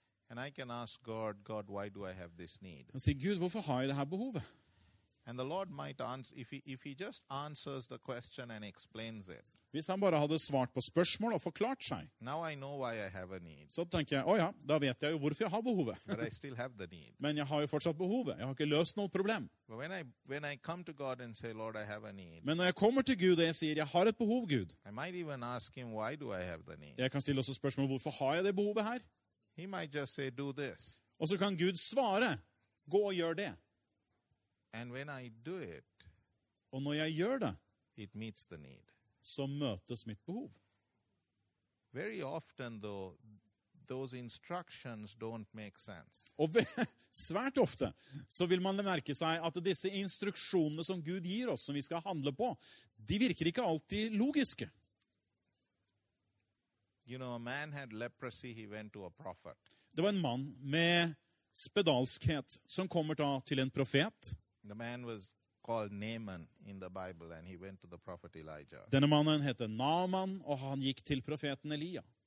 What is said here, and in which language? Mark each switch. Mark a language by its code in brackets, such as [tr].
[en] And I can ask God, God, why do I have this need? [no] Og si, Gud, hvorfor har jeg dette behovet? [en] And the Lord might answer, if he just answers the question and explains it. [no] Hvis han bare hadde svart på spørsmål og forklart seg. [en] Now I know why I have a need. [no] Så tenker jeg, oh ja, da vet jeg jo hvorfor jeg har behovet. [en] But I still have the need. [no] Men jeg har jo fortsatt behovet. Jeg har ikke løst noe problem. [en] But when I come to God and say, Lord, I have a need. [no] Men når jeg kommer til Gud og jeg sier, jeg har et behov, Gud. [en] I might even ask him, why do I have the need? [no] Jeg kan stille også spørsmål, hvorfor har jeg det behovet her? [en] He might just say, do this. [no] Og så kan Gud svare, gå og gjør det. [en] And when I do it, [no] og når jeg gjør det, [en] it meets the need. [no] Så møtes mitt behov. [en] Very often though, those instructions don't make sense. [no] Og svært ofte, så vil man merke seg at disse instruksjonene som Gud gir oss, som vi skal handle på, de virker ikke alltid logiske. [en] You know, a man had leprosy, he went to a prophet. [no] Det var en mann med spedalskhet som kommer da til en profet. [en] The man was called Naaman in the Bible and he went to the prophet Elijah. [no] Denne mannen hette Naaman og han gikk til profeten Elia.